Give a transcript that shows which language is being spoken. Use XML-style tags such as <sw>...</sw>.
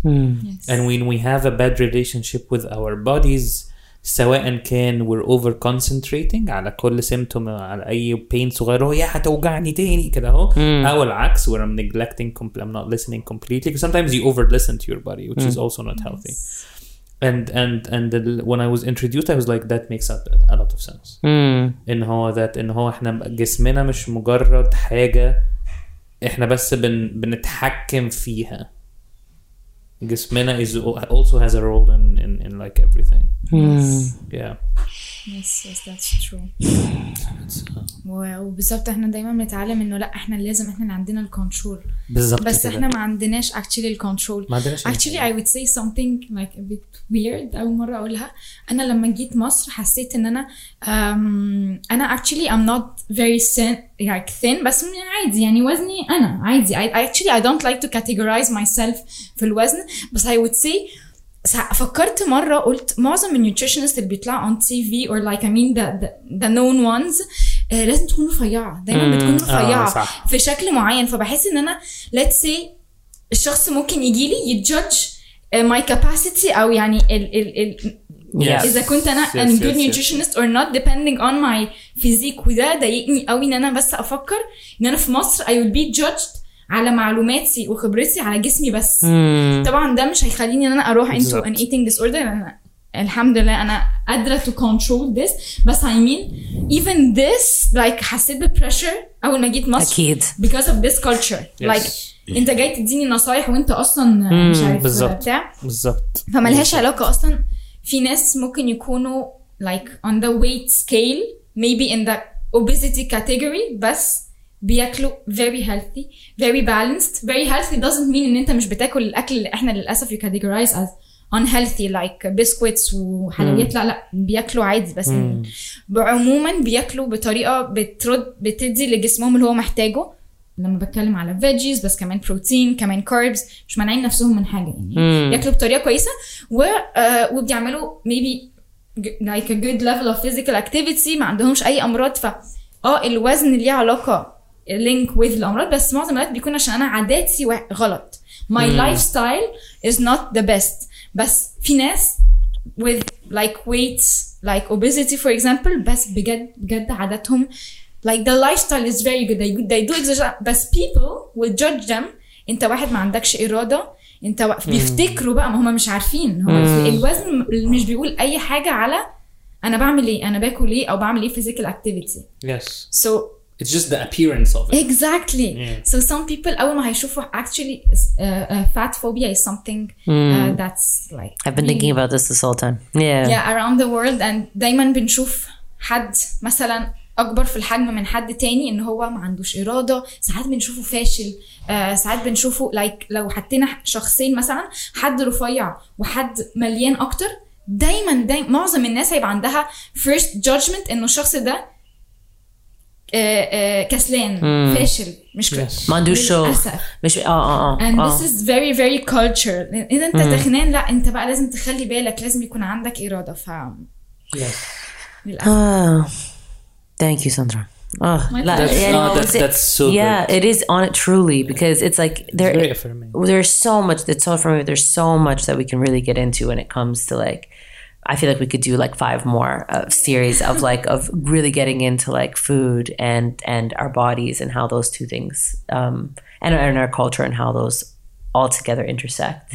<en>And when we have a bad relationship with our bodies</en> <ar>سواء كان</ar> <en>we're over concentrating</en> <ar>على كل</ar> <en>symptom</en> <ar>على أي</ar> <en>pain</en> <ar>صغير يا هتوجعني تاني كده هو أو العكس</ar> <en>where I'm neglecting I'm not listening completely because sometimes you over listen to your body which is also not healthy. And when I was introduced, I was like, that makes a lot of sense. In how that in how</en> <ar>إحنا جسمنا مش مجرد حاجة إحنا بس بنتحكم فيها. جسمنا</ar> <en>is also has a role in like everything. Yeah. Yes, that's true.</en> <ar>و بالضبط إحنا دائما بنتعلم إنه لا إحنا لازم إحنا عندنا الكنترول. بالضبط. بس إحنا ما عندناش</ar> <en>actually</en> <ar>الكنترول. ما عندناش.</ar> <en>Actually, I would say something like a bit weird.</en> <ar>أول مرة أقولها. أنا لما جيت مصر حسيت إن أنا</ar> <en>actually I'm not very thin, like thin,</en> <ar>بس عادي يعني وزني أنا عادي.</ar> <en>I don't like to categorize myself</en> <ar>في الوزن, بس</ar> <en>I would say.</en> <ar>فكرت مرة قلت معظم النيوتريشنست اللي بيطلع</ar> <en>on TV or like I mean the known ones</en> <ar>لازم تكون رفيعة دايما بتكون رفيعة في شكل معين, فبحس ان انا</ar> <en>let's say</en> <ar>الشخص ممكن يجي لي يجudge</ar> <en>my capacity</en> <ar>او يعني ال</ar> <en>yes.</en> <ar>اذا كنت انا</ar> <en>yes, yes, good nutritionist yes, yes. or not depending on my physique,</en> <ar>وده ضايقني قوي ان انا بس افكر ان انا في مصر</ar> <en>I will be judged</en> <ar>على معلوماتي وخبرتي على جسمي بس. طبعا ده مش هيخليني ان انا اروح</ar> <en>into an eating disorder,</en> <ar>انا الحمد لله انا قادرة</ar> <en>to control this,</en> <ar>بس</ar> <en>I mean even this like</en> <ar>حسيت بالpressure اول ما جيت مصر أكيد.</ar> <en>because of this culture yes. like</en> <ar>انت جاي تديني نصايح وانت اصلا مش عارف بالظبط, فمالهاش علاقة اصلا. في ناس ممكن يكونوا</ar> <en>like on the weight scale maybe in the obesity category</en> <ar>بس بياكلوا</ar> <en>very healthy very balanced. very healthy doesn't mean</en> <ar>ان انت مش بتاكل الاكل اللي احنا للاسف</ar> <en>you categorize as unhealthy like biscuits</en> <ar>وحلويات. لا بياكلوا عادي بس عموما بياكلوا بطريقه بتدي لجسمهم اللي هو محتاجه. لما بتكلم على veggies بس كمان protein كمان carbs مش مانعين نفسهم من حاجه يعني بياكلوا بطريقه كويسه وبيعملوا</ar> <en>maybe like a good level of physical activity</en> <ar>ما عندهمش اي امراض. ف الوزن ليه علاقه</ar> <en>link with</en> <ar>الأمراض بس معظم الوقت بيكون عشان أنا عاداتي غلط.</ar> <en>My lifestyle is not the best.</en> <ar>بس في ناس</ar> <en>with like weights like obesity for example</en> <ar>بس بجد بجد عاداتهم</ar> <en>like the lifestyle is very good. They do exercise</en> <ar>بس</ar> <en>people will judge them.</en> <ar>أنت واحد ما عندكش إرادة أنت بيفتكروا بقى ما هما مش عارفين الوزن مش بيقول أي حاجة على أنا بعمل إيه أنا باكل إيه أو بعمل إيه physical activity.</ar> <en>yes. so it's just the appearance of it. Exactly. Yeah. So some people,</en> <ar>أول ما هيشوفوا</ar> <en>actually fat phobia is something that's like. I've been really thinking about this this whole time. Yeah. Yeah, around the world, and</en> <ar>دايما بنشوف حد مثلا أكبر في الحجم من حد تاني إن هو ما عندوش إرادة. ساعات بنشوفه فاشل. ساعات بنشوفه</ar> <en>like</en> <ar>لو حطينا شخصين مثلا حد رفيع وحد مليان أكتر دايما دايما معظم الناس هيبقى عندها</ar> <en>first judgment</en> <ar>إنه الشخص ده كسلان فاشل مش ما عندوش شغل مش</ar> <en>and this is very very culture.</en> <ar>اذا انت تخنان لا انت بقى لازم تخلي بالك لازم يكون عندك اراده ف</ar> <en>thank you Sandra. That's so yeah, good. It is on it truly because it's like there's so much that we can really get into when it comes to like I feel like we could do like five more series of like of really getting into like food and our bodies and how those two things and our culture and how those all together intersect.</en>